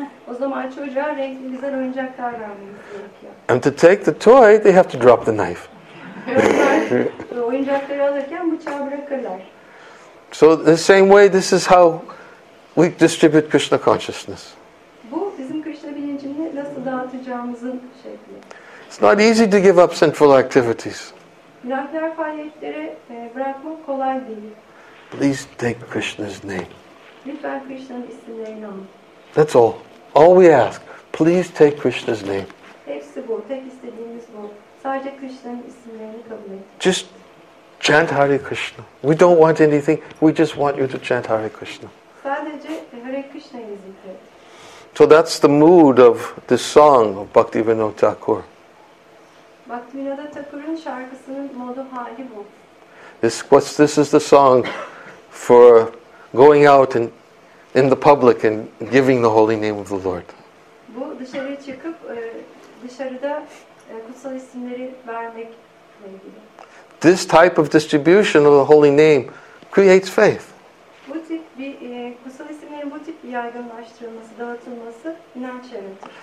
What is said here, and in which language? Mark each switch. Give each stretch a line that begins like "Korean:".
Turkish: O zaman çocuğa renkli güzel oyuncaklar vermeniz gerekiyor.
English: And to take the toy, they have to drop the knife.
Turkish: Oyuncakları alırken bıçağı bırakırlar.
English: So the same way, this is how we distribute Krishna consciousness.
Turkish: Bu bizim Krishna bilincini nasıl dağıtacağımızın şekli.
English: It's not easy to give up sinful activities.
Turkish: Günahkar faaliyetleri bırakmak kolay değil.
English: Please take Krishna's name.
Turkish: Lütfen Krishna'nın isimlerini alın.
English: That's all. All we ask. Please take Krishna's name.
Turkish: Hepsi bu. Tek istediğimiz bu. Sadece Krishna'nın isimlerini kabul edin.
English: Just chant Hare Krishna. We don't want anything. We just want you to chant Hare Krishna.
Turkish: Sadece Hare Krishna'yı zikredin.
English: So that's the mood of this song of Bhaktivinoda Thakur.
Turkish: Bhaktivinoda Thakur'un şarkısının modu hali bu.
English: This is the song for going out and in the public and giving the holy name of the Lord.
Turkish: Bu dışarıya çıkıp dışarıda kutsal isimleri vermekle ilgili.
English: This type of distribution of the holy name creates faith.
Turkish: Bu tip bir kutsal isimlerin bu tip yaygınlaştırılması, dağıtılması inanç yaratır.